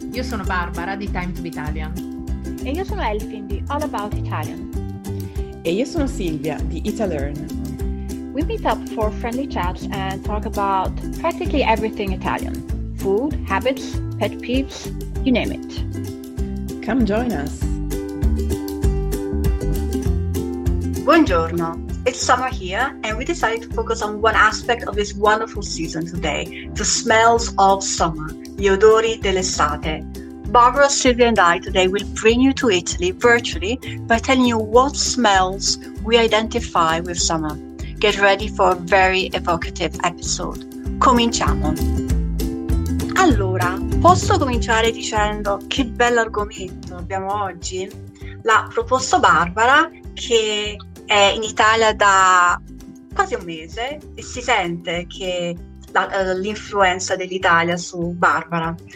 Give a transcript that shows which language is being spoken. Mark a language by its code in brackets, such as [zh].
[it] Io sono Barbara di Times of Italian. E io sono Elfin di All About Italian. E io sono Silvia di Italearn. [en] We meet up for friendly chats and talk about practically everything Italian. Food, habits, pet peeves, you name it. Come join us. [it] Buongiorno. [en] It's summer here, and we decided to focus on one aspect of this wonderful season today, the smells of summer, [it] gli odori dell'estate. [en] Barbara, Silvia and I today will bring you to Italy virtually by telling you what smells we identify with summer. Get ready for a very evocative episode. [it] Cominciamo! Allora, posso cominciare dicendo che bello argomento abbiamo oggi? L'ha proposto Barbara, che è in Italia da quasi un mese e si sente che l'influenza dell'Italia su Barbara.